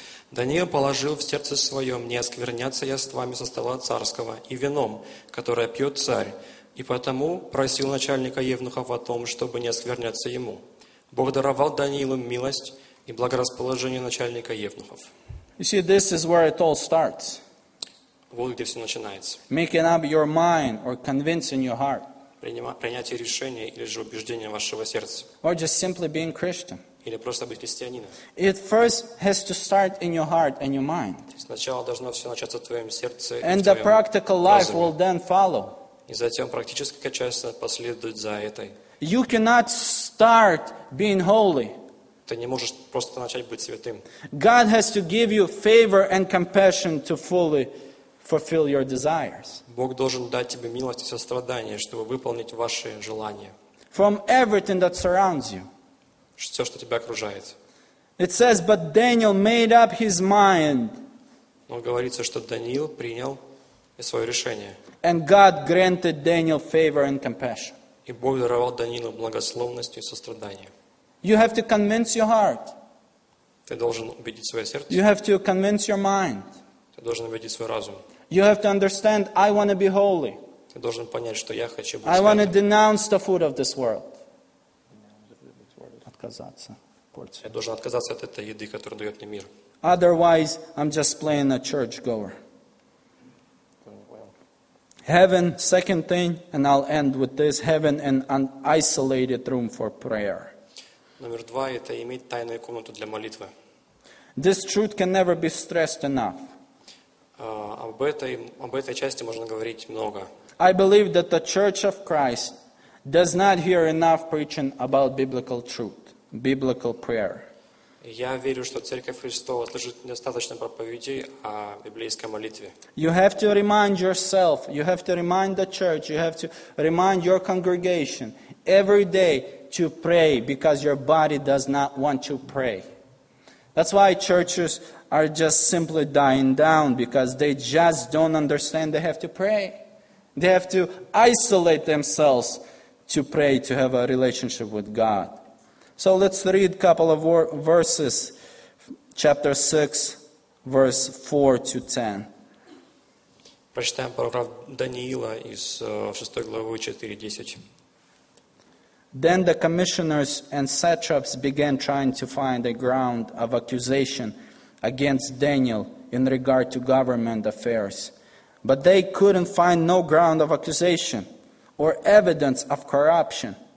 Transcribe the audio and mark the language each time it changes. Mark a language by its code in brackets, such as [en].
[ru] Даниил положил в сердце своем не оскверняться яствами со стола царского и вином, которое пьет царь, и потому просил начальника евнухов о том, чтобы не оскверняться ему. Бог даровал Даниилу милость и благорасположение начальника евнухов. [en] You see, this is where it all starts. [ru] Вот где все начинается. [en] Making up your mind or convincing your heart. [ru] Принятие решения или же убеждение вашего сердца. [en] Or just simply being Christian. [ru] Или просто быть христианином. [en] It first has to start in your heart and your mind. [ru] Сначала должно все начаться в твоем сердце и в твоем разуме. [en] And the practical life will then follow. [ru] И затем практическая часть последует за этой. [en] You cannot start being holy. [ru] Ты не можешь просто начать быть святым. [en] God has to give you favor and compassion to fully fulfill your desires. [ru] Бог должен дать тебе милость и сострадание, чтобы выполнить ваши желания. [en] From everything that surrounds you. [ru] Все, что тебя окружает. [en] It says, but Daniel made up his mind. [ru] Но говорится, что Даниил принял свое решение. [en] And God granted Daniel favor and compassion. [ru] И Бог даровал Даниилу благословность и сострадание. [en] You have to convince your heart. [ru] Ты должен убедить свое сердце. [en] You have to convince your mind. [ru] Ты должен убедить свой разум. [en] You have to understand, I want to be holy. [ru] Ты должен понять, что я хочу быть святым. [en] I want to denounce the food of this world. [ru] Отказаться. Я должен отказаться от этой еды, которую дает мне мир. [en] Otherwise, I'm just playing a churchgoer. Heaven, second thing, and I'll end with this, heaven and an isolated room for prayer. [ru] Номер два – это иметь тайную комнату для молитвы. [en] This truth can never be stressed enough. [ru] Об этой части можно говорить много. [en] I believe that the Church of Christ does not hear enough preaching about biblical truth, biblical prayer. [ru] Я верю, что Церковь Христова слышит недостаточно проповедей о библейской молитве. [en] You have to remind yourself, you have to remind the church, you have to remind your congregation every day to pray because your body does not want to pray. That's why churches are just simply dying down because they just don't understand they have to pray. They have to isolate themselves to pray, to have a relationship with God. So let's read a couple of verses, chapter 6, verse 4 to 10. [ru] Прочитаем параграф Даниила из 6 главы 4:10. [en] Then the commissioners and satraps began trying to find a ground of accusation against Daniel in regard to government affairs. But they couldn't find no ground of accusation or evidence of corruption.